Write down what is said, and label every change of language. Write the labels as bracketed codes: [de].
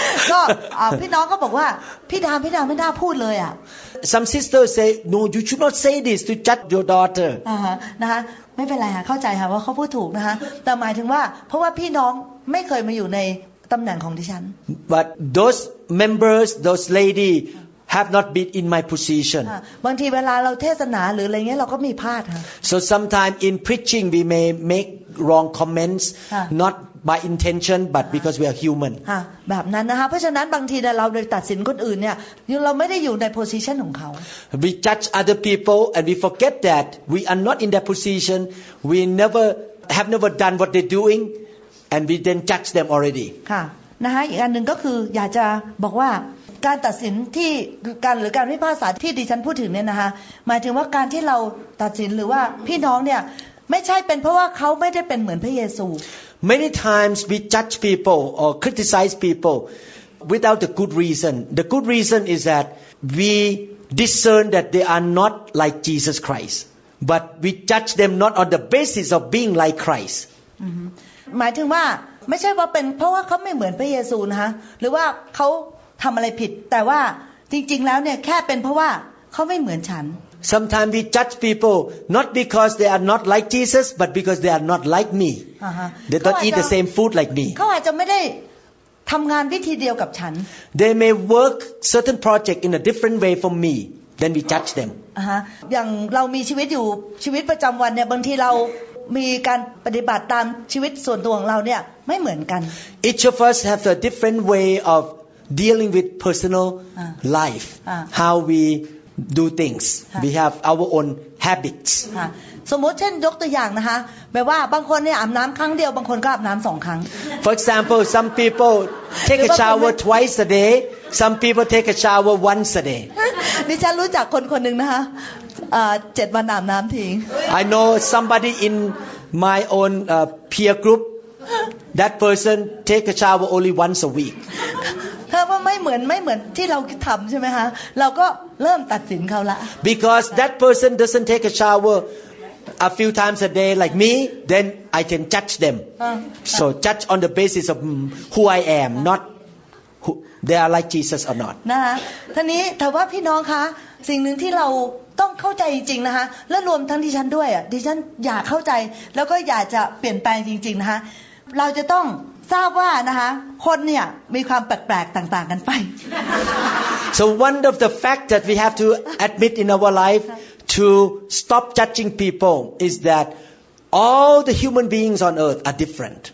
[th] ก็พี่น้องก็บอกว่าพี่ดาไม่น่าพูดเลยอ่ะ [en] Some sister say no you should not say this to judge your daughter [th] นะคะไม่เป็นไรค่ะเข้าใจค่ะว่าเขาพูดถูกนะคะแต่หมายถึงว่าเพราะว่าพี่น้องไม่เคยมาอยู่ในตำแหน่งของดิฉัน [en] But those members those lady have not been in my position [th] บางทีเวลาเราเทศนาหรืออะไรเงี้ยเราก็มีพลาดค่ะ [en] So sometimes in preaching we may make wrong comments not by intention but because we are human [th] แบบนั้นนะคะเพราะฉะนั้นบางทีเราไปตัดสินคนอื่นเนี่ยเราไม่ได้อยู่ใน position ของเขา [en] We judge other people and we forget that we are not in their position we never have never done what they're doingAnd we then judge them already. [th] ค่ะนะคะอีกอันหนึ่งก็คืออยากจะบอกว่าการตัดสินที่การหรือการพิพากษาที่ดิฉันพูดถึงเนี่ยนะคะหมายถึงว่าการที่เราตัดสินหรือว่าพี่น้องเนี่ยไม่ใช่เป็นเพราะว่าเขาไม่ได้เป็นเหมือนพระเยซู [en] Many times we judge people or criticize people without the good reason. The good reason is that we discern that they are not like Jesus Christ, but we judge them not on the basis of being like Christ. [th] หมายถึงว่าไม่ใช่ว่าเป็นเพราะว่าเขาไม่เหมือนพระเยซูนะคะหรือว่าเขาทำอะไรผิดแต่ว่าจริงๆแล้วเนี่ยแค่เป็นเพราะว่าเขาไม่เหมือนฉัน [en] Sometimes we judge people not because they are not like Jesus but because they are not like me They don't eat the same food like me [th] เขาอาจจะไม่ได้ทำงานวิธีเดียวกับฉัน [en] They may work certain project in a different way from me then we judge them [th] อย่างเรามีชีวิตอยู่ชีวิตประจำวันเนี่ยบางทีเรามีการปฏิบัติตามชีวิตส่วนตัวของเราเนี่ยไม่เหมือนกัน [en] Each of us have a different way of dealing with personal life how we do things we have our own habits [th] สมมุติเช่นยกตัวอย่างนะคะแบบว่าบางคนเนี่ยอาบน้ำครั้งเดียวบางคนก็อาบน้ำสองครั้ง [en] For example some people take a shower twice a day some people take a shower once a day [th] ดิฉันรู้จักคนคนนึงนะคะ 7วันอาบน้ำทิ้ง [en] I know somebody in my own peer group that person take a shower only once a week [th] ถ้าว่าไม่เหมือนที่เราทำใช่ไหมฮะเราก็เริ่มตัดสินเขาละ [en] Because that person doesn't take a showerA few times a day, like me, then I can judge them. So judge on the basis of who I am, not who they are like Jesus or not. [th] นะท่านี้ถามว่าพี่น้องคะสิ่งหนึ่งที่เราต้องเข้าใจจริงๆนะคะและรวมทั้งดิฉันด้วยอ่ะดิฉันอยากเข้าใจแล้วก็อยากจะเปลี่ยนแปลงจริงๆนะคะเราจะต้องทราบว่านะคะคนเนี่ยมีความแปลกๆต่างๆกันไป [en] So one of the fact that we have to admit in our lifeTo stop judging people is that all the human beings on earth are different.